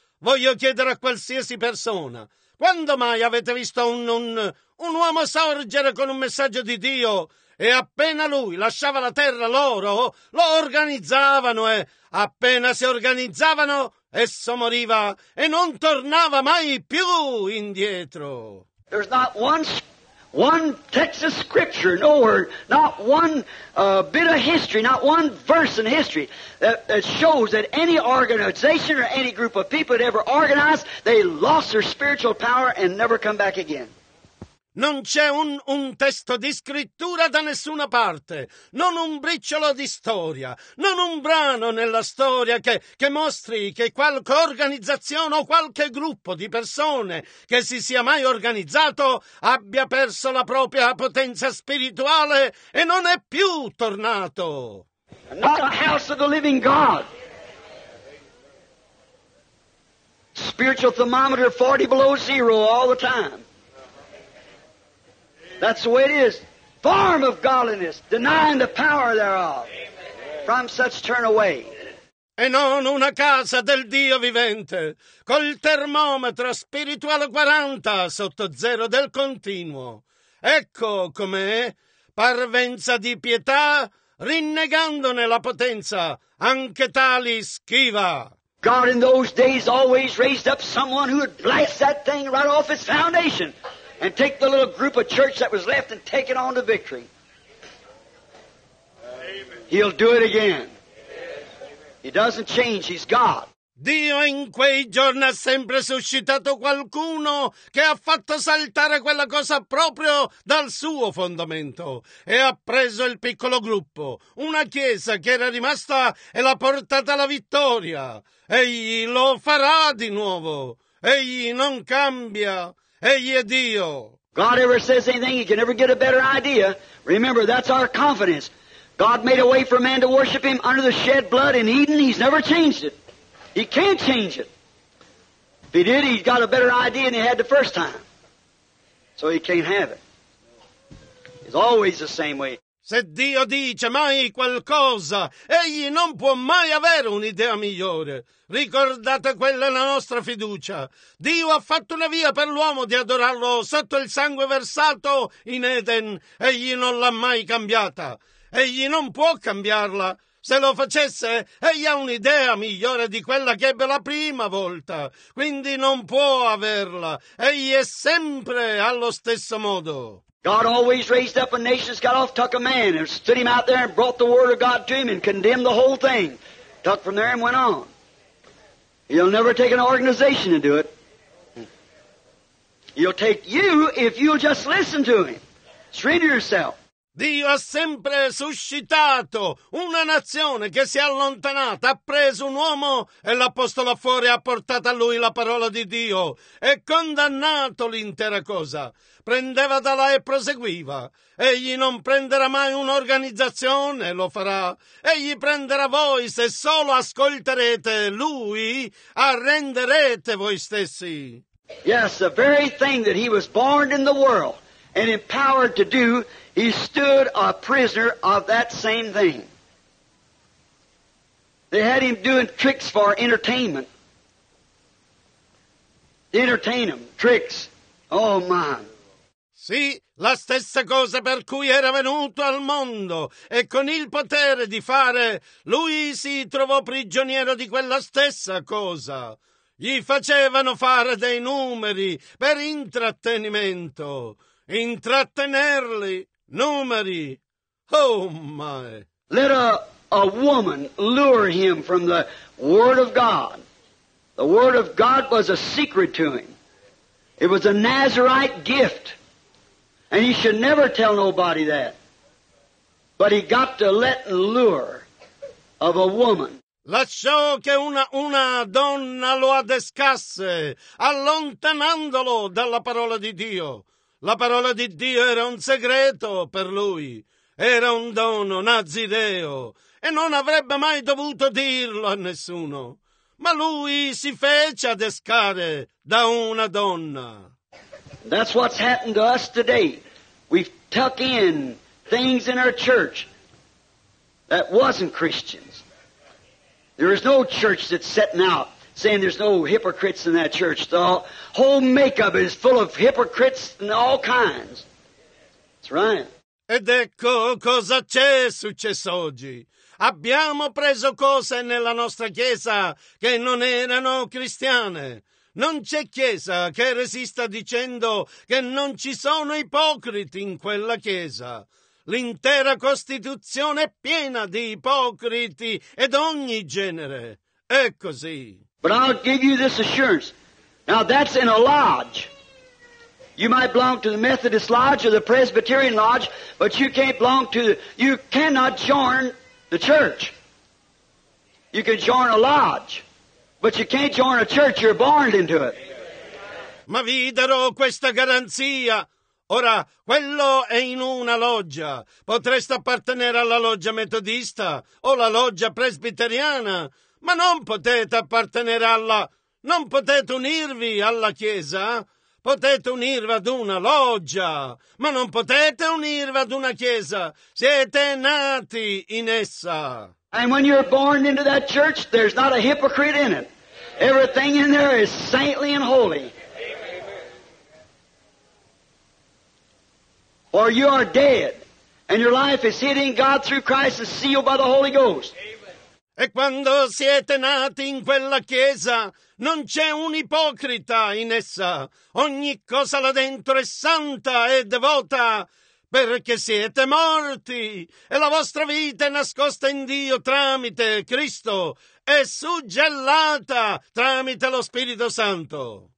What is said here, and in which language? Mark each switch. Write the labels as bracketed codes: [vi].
[it] Voglio chiedere a qualsiasi persona, quando mai avete visto un uomo sorgere con un messaggio di Dio? E appena lui lasciava la terra loro, lo organizzavano e appena si organizzavano, esso moriva e non tornava mai più indietro. [en] There's not one, one text of scripture, no word, not one bit of history, not one verse in history that shows that any organization or any group of people had ever organized, they lost their spiritual power and never come back again. [it] Non c'è un testo di scrittura da nessuna parte, non un briciolo di storia, non un brano nella storia che mostri che qualche organizzazione o qualche gruppo di persone che si sia mai organizzato abbia perso la propria potenza spirituale e non è più tornato. [en] Not the house of the living God. Spiritual thermometer 40 below zero all the time. That's the way it is. Form of godliness, denying the power thereof. From such turn away. [it] E non una casa del Dio vivente, col termometro spirituale 40 sotto zero del continuo. Ecco com'è, parvenza di pietà, rinnegandone la potenza, anche tali schiva. [en] God in those days always raised up someone who would blast that thing right off its foundation. And take the little group of church that was left and take it on to victory. Amen. He'll do it again. Yes. He doesn't change, he's God. [it] Dio in quei giorni ha sempre suscitato qualcuno che ha fatto saltare quella cosa proprio dal suo fondamento e ha preso il piccolo gruppo, una chiesa che era rimasta e l'ha portata alla vittoria. Egli lo farà di nuovo. Egli non cambia. Egli è Dio. [en] God ever says anything, he can never get a better idea. Remember, that's our confidence. God made a way for man to worship him under the shed blood in Eden. He's never changed it. He can't change it. If he did, he's got a better idea than he had the first time. So he can't have it. It's always the same way. [it] Se Dio dice mai qualcosa, egli non può mai avere un'idea migliore. Ricordate quella la nostra fiducia. Dio ha fatto una via per l'uomo di adorarlo sotto il sangue versato in Eden. Egli non l'ha mai cambiata. Egli non può cambiarla. Se lo facesse, egli ha un'idea migliore di quella che ebbe la prima volta. Quindi non può averla. Egli è sempre allo stesso modo. [en] God always raised up a nation that's got off, took a man, and stood him out there and brought the word of God to him and condemned the whole thing. Took from there and went on. He'll never take an organization to do it. He'll take you if you'll just listen to him. Surrender yourself. [it] Dio ha sempre suscitato una nazione che si è allontanata, ha preso un uomo e l'ha posto là fuori, ha portato a lui la parola di Dio e condannato l'intera cosa. Prendeva da là e proseguiva. Egli non prenderà mai un'organizzazione, lo farà. Egli prenderà voi se solo ascolterete lui, arrenderete voi stessi. [en] Yes, the very thing that he was born in the world and empowered to do, he stood a prisoner of that same thing. They had him doing tricks for entertainment. Entertain him, tricks. Oh, man. [it] Sì, la stessa cosa per cui era venuto al mondo e con il potere di fare, lui si trovò prigioniero di quella stessa cosa. Gli facevano fare dei numeri per intrattenimento. Intrattenerli, numeri. [en] Oh, my. Let a woman lure him from the Word of God. The Word of God was a secret to him. It was a Nazarite gift. And he should never tell nobody that. But he got to let lure of a woman. [it] Lasciò che una donna lo adescasse, allontanandolo dalla parola di Dio. La parola di Dio era un segreto per lui. Era un dono nazireo. E non avrebbe mai dovuto dirlo a nessuno. Ma lui si fece adescare da una donna. [en] That's what's happened to us today. We've tucked in things in our church that wasn't Christians. There is no church that's setting out saying there's no hypocrites in that church. The whole makeup is full of hypocrites and all kinds. That's right. [it] Ed ecco cosa c'è successo oggi. Abbiamo preso cose nella nostra chiesa che non erano cristiane. Non c'è chiesa che resista dicendo che non ci sono ipocriti in quella chiesa. L'intera Costituzione è piena di ipocriti ed ogni genere. È così. [en] But I'll give you this assurance. Now that's in a lodge. You might belong to the Methodist lodge or the Presbyterian lodge, but you can't belong to the, you cannot join the church. You can join a lodge, but you can't join a church, you're born into it. [it] Ma vi darò questa garanzia. Ora, quello è in una loggia. Potreste appartenere alla loggia metodista o la loggia presbiteriana, ma non potete appartenere alla... Non potete unirvi alla chiesa. Potete unirvi ad una loggia, ma non potete unirvi ad una chiesa. Siete nati in essa. [en] And when you're born into that church, there's not a hypocrite in it. Everything in there is saintly and holy. Amen. Or you are dead, and your life is hid in God through Christ and sealed by the Holy Ghost. Amen. [it] E quando siete nati in quella chiesa, non c'è un ipocrita in essa. Ogni cosa là dentro è santa e devota. Perché siete morti e la vostra vita è nascosta in Dio tramite Cristo e suggellata tramite lo Spirito Santo.